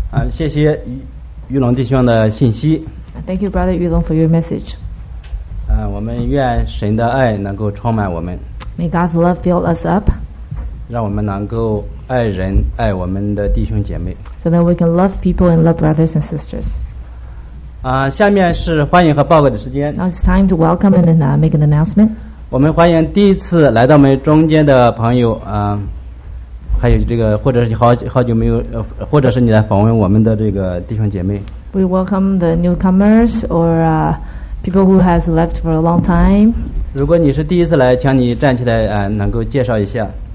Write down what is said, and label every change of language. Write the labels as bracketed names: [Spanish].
[Chinese] 谢谢玉龙弟兄的信息。 [English] Thank you, Brother Yulong, for your message. [Chinese] 我们愿神的爱能够充满我们。 [English] May God's love fill us up. [Chinese] 让我们能够爱人，爱我们的弟兄姐妹。 [English] So that we can love people and love brothers and sisters. [Chinese] 下面是欢迎和报告的时间。 [English] Now it's time to welcome and make an announcement. [Chinese] 我们欢迎第一次来到我们中间的朋友啊。还有这个，或者是好久没有，或者是你来访问我们的这个弟兄姐妹。 [English] We welcome the newcomers or people who has left for a long time. [Chinese] 如果你是第一次来，请你站起来，能够介绍一下。